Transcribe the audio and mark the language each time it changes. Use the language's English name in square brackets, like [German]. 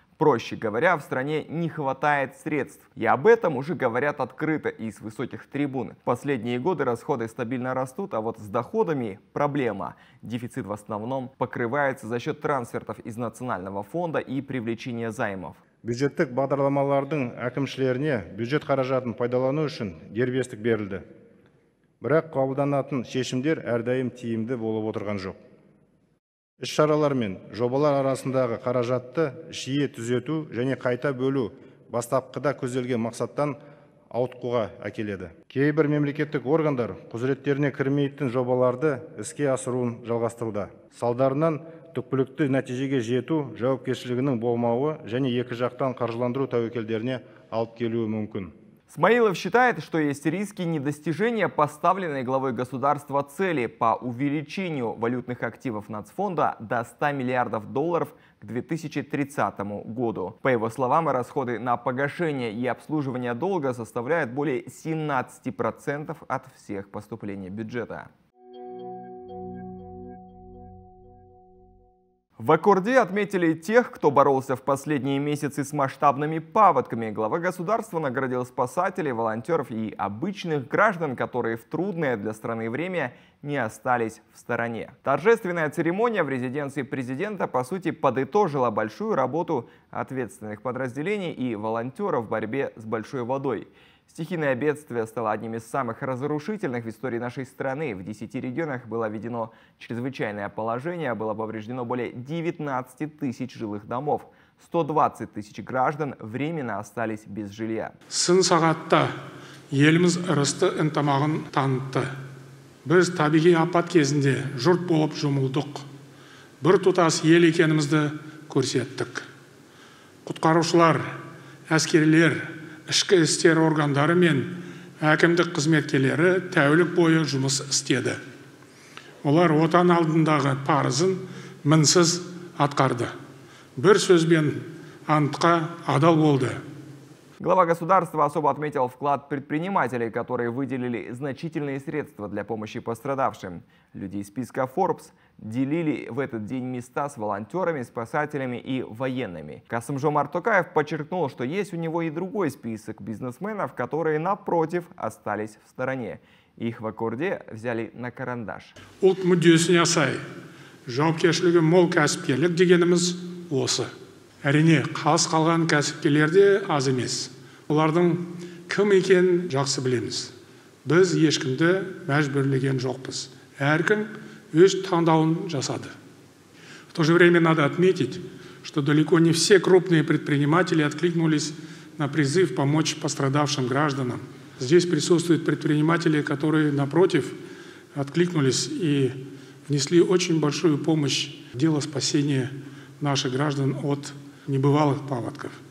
[Russian] Проще говоря, в стране не хватает средств. И об этом уже говорят открыто и с высоких трибун. Последние годы расходы стабильно растут, а вот с доходами проблема. Дефицит в основном покрывается за счет трансфертов из национального фонда и привлечения займов. [Kazakh] Бюджеттік бағдарламалардың әкімшілеріне бюджет қаражатын пайдалану үшін дербестік берілді. Бірақ қабылданатын шешімдер әрдайым тиімді болып отырған жоқ. Іс-шаралар мен жобалар арасындағы қаражатты жиі түзету және қайта бөлу бастапқыда көзделген мақсаттан ауытқуға әкеледі. Кейбір мемлекеттік органдар құзыреттеріне кірмейтін жобаларды іске асыруын жалғастыруда. Салдарынан түкпілікті нәтижеге жету жауапкершілігінің болмауы және екі жақтан қаржыландыру тәуекелдеріне алып келуі мүмкін. [Russian] Смаилов считает, что есть риски недостижения поставленной главой государства цели по увеличению валютных активов нацфонда до 100 миллиардов долларов к 2030 году. По его словам, расходы на погашение и обслуживание долга составляют более 17% от всех поступлений бюджета. В Аккорде отметили тех, кто боролся в последние месяцы с масштабными паводками. Глава государства наградил спасателей, волонтеров и обычных граждан, которые в трудное для страны время не остались в стороне. Торжественная церемония в резиденции президента, по сути, подытожила большую работу ответственных подразделений и волонтеров в борьбе с большой водой. Стихийное бедствие стало одним из самых разрушительных в истории нашей страны. В 10 регионах было введено чрезвычайное положение, было повреждено более 19 тысяч жилых домов. 120 тысяч граждан временно остались без жилья. [Kazakh] Сын сағатта еліміз ырысты ынтымағын танытты. Біз табиғи апат кезінде жұрт болып жұмылдық. Бір тұтас ел екенімізді көрсеттік. Құтқарушылар, әскерлер, ішкі істер органдары мен әкімдік қызметкерлері тәулік бойы жұмыс істеді. Олар отан алдындағы парызын мінсіз атқарды. Бір сөзбен антқа адал болды. [Russian] Глава государства особо отметил вклад предпринимателей, которые выделили значительные средства для помощи пострадавшим. Люди из списка Forbes делили в этот день места с волонтерами, спасателями и военными. Касым-Жомарт Артокаев подчеркнул, что есть у него и другой список бизнесменов, которые, напротив, остались в стороне. Их в Аккорде взяли на карандаш. [Kazakh] Ұлт мүддесіне сай, жауапкершілігі мол кәсіпкерлік дегеніміз осы. Әрине, қалыс қалған кәсіпкерлер де аз емес. Олардың кім екенін жақсы білеміз. Біз ешкімді мәжбүрлеген жоқпыз. Әркім өз таңдауын жасады. [Russian] В то же время надо отметить, что далеко не все крупные предприниматели откликнулись на призыв помочь пострадавшим гражданам. Здесь присутствуют предприниматели, которые, напротив, откликнулись и внесли очень большую помощь в дело спасения наших граждан от небывалых паводков.